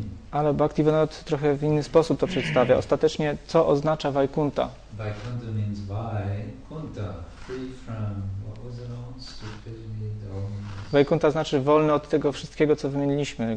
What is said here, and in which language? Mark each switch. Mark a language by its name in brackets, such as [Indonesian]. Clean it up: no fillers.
[Polish] Ale Bhaktivinoda trochę w inny sposób to przedstawia. Ostatecznie, co oznacza Vaikunta? [English] Vaikunta means Vaikunta, free from what was it all? Stupidity, dumbness. [Polish] Vaikunta znaczy wolny od tego wszystkiego, co wymieniliśmy.